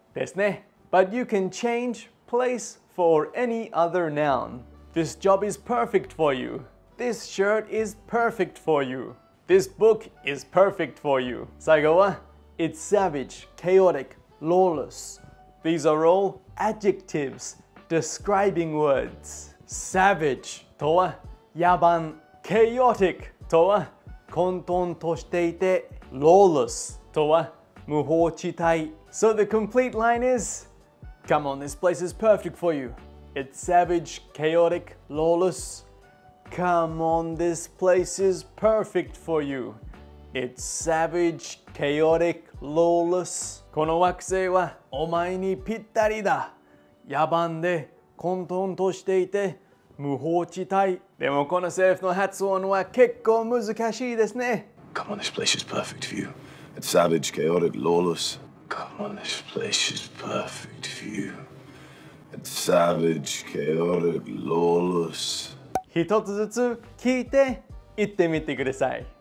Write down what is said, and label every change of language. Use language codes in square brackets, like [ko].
[ja] ですね。 [en] But you can change place for any other noun. This job is perfect for you. This shirt is perfect for you. This book is perfect for you. [ja] 最後は、 [en] It's savage, chaotic, lawless. These are all adjectives, describing words. [ja] Savage とは、野蛮。 Chaotic とは、混沌としていて。 [en] Lawless [ja] とは、無法地帯。 [en] So the complete line is, Come on, this place is perfect for you. It's savage, chaotic, lawless. Come on, this place is perfect for you. It's savage, chaotic, lawless. [ja] この惑星はお前にぴったりだ。野蛮で混沌としていて無法地帯。でもこのセリフの発音は結構難しいですね。 [en] Come on, this place is perfect for you. It's savage, chaotic, lawless. Come on, this place is perfect for you. It's savage, chaotic, lawless. [ja] 一つずつ聞いて言ってみてください。